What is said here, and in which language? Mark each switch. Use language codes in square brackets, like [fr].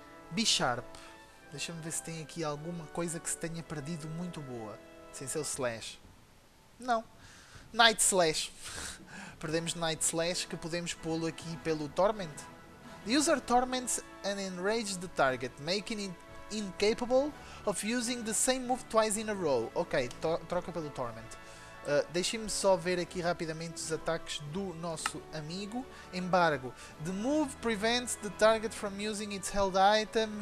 [pt] Bisharp, deixa-me ver se tem aqui alguma coisa que se tenha perdido muito boa, sem ser o Slash. Não. Night Slash. Perdemos Night Slash, que podemos pô-lo aqui pelo Torment. [en] The user torments and enrages the target, making it incapable of using the same move twice in a row. [pt] Ok, troca pelo Torment. Deixem-me só ver aqui rapidamente os ataques do nosso amigo. Embargo. [en] The move prevents the target from using its held item.